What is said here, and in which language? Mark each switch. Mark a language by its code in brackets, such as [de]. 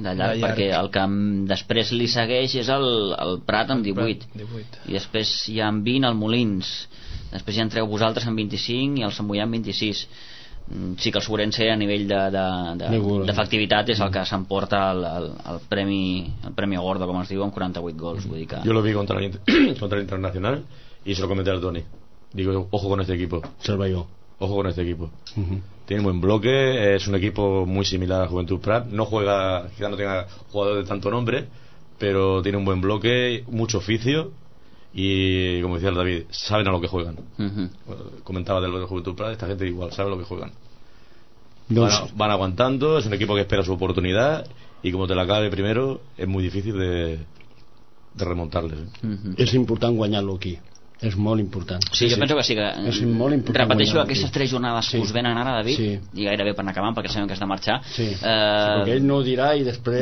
[ca] De llarg, perquè el que després li segueix és el Prat amb 18. I després hi ha 20 el Molins. Després hi entreu vosaltres amb 25 i el Sant Boià amb 26. Sí que el Sobrense a nivell d'efectivitat és el que s'emporta el premi Gordo, com es diu, amb 48 gols. Vull dir que... [es] Yo lo vi contra el Internacional y se lo comenté al Toni. Digo, ojo con este equipo. Cervelló. Ojo con este equipo. Tiene buen bloque, es un equipo muy similar a Juventud Prat. No juega, quizá no tenga jugadores de tanto nombre, pero tiene un buen bloque, mucho oficio. Y como decía el David, saben a lo que juegan. Comentaba de lo de Juventud Prat, esta gente igual sabe a lo que juegan. Van aguantando, es un equipo que espera su oportunidad y como te la acabe primero, es muy difícil de remontarles. Es importante [ca] guanyarlo [es] aquí. [ca] És molt important. Sí, jo penso que sí, que és molt important. Repeteixo aquestes tres jornades que us venen ara, David, i gairebé per anar acabant, perquè sabem que has de marxar. Sí, perquè ell no ho dirà i després...